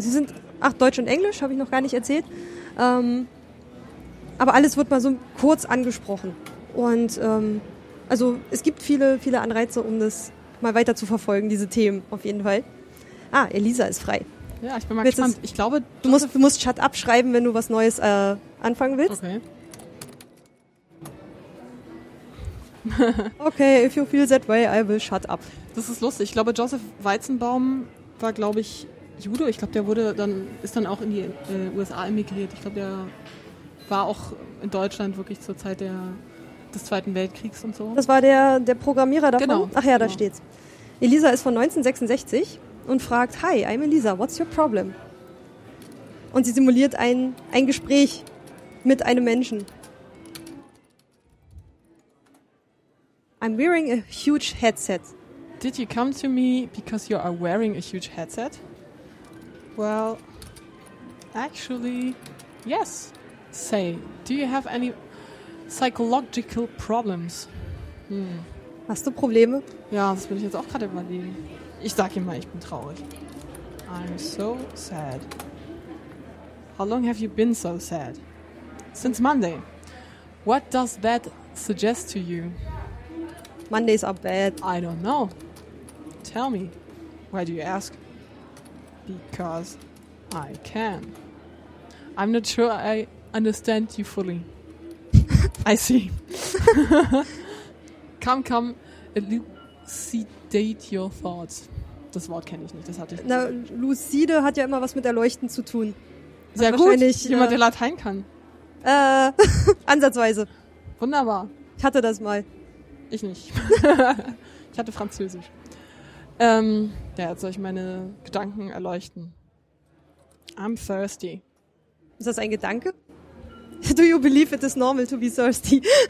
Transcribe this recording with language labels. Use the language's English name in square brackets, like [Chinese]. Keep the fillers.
[German] Sie sind, ach, Deutsch und Englisch, habe ich noch gar nicht erzählt. Ähm, aber alles wird mal so kurz angesprochen. Und ähm, also es gibt viele, viele Anreize, um das mal weiter zu verfolgen, diese Themen auf jeden Fall. Ah, Elisa ist frei. Ja, ich bin mal Willst gespannt. Ich glaube, Du musst, du musst Shut Up schreiben, wenn du was Neues äh, anfangen willst. okay. [English] Okay, if you feel that way, I will shut up. [German] Das ist lustig. Ich glaube, Joseph Weizenbaum war, glaube ich, Jude. Ich glaube, der wurde dann, ist dann auch in die äh, USA emigriert. Ich glaube, der war auch in Deutschland wirklich zur Zeit der, des Zweiten Weltkriegs und so. Das war der, der Programmierer davon? Genau. Ach ja, da Genau. steht's. Elisa ist von 1966 und fragt, [English] Hi, I'm Elisa, what's your problem? [German] Und sie simuliert ein, ein Gespräch mit einem Menschen. [English] I'm wearing a huge headset. Did you come to me because you are wearing a huge headset? Well, actually, yes. Say, do you have any psychological problems? [German] Hast du Probleme? Ja, das bin ich jetzt auch gerade überlegen. Ich sag ihm mal, ich bin traurig. [English] I'm so sad. How long have you been so sad? Since Monday. What does that suggest to you? Mondays are bad. I don't know. Tell me. Why do you ask? Because I can. I'm not sure I understand you fully. I see. come, come, elucidate your thoughts. [German] Das Wort kenne ich nicht, das hatte ich. Na, Lucide hat ja immer was mit Erleuchten zu tun. Sehr gut, wahrscheinlich, jemand, äh, der Latein kann. Äh, ansatzweise. Wunderbar. Ich hatte das mal. Ich nicht. ich hatte Französisch. Ähm, ja, jetzt soll ich meine Gedanken erleuchten. [English] I'm thirsty. [German] Ist das ein Gedanke? [English] Do you believe it is normal to be thirsty?